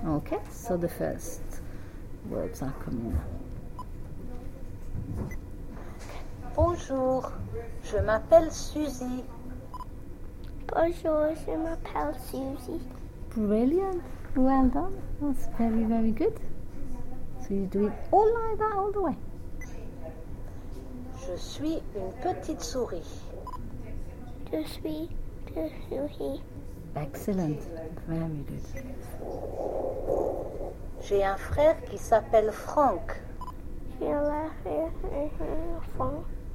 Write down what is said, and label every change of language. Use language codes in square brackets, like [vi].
[en] Okay, so the first words are coming up. [fr] Bonjour, je m'appelle Suzy. Bonjour, je m'appelle Suzy. [en] Brilliant, well done. That's very, very good. So you do it all like that, all the way. [fr] Je suis une petite souris. Je suis une souris. [en] Excellent, very good. [fr] J'ai un frère qui s'appelle Franck. J'ai un frère, Franck.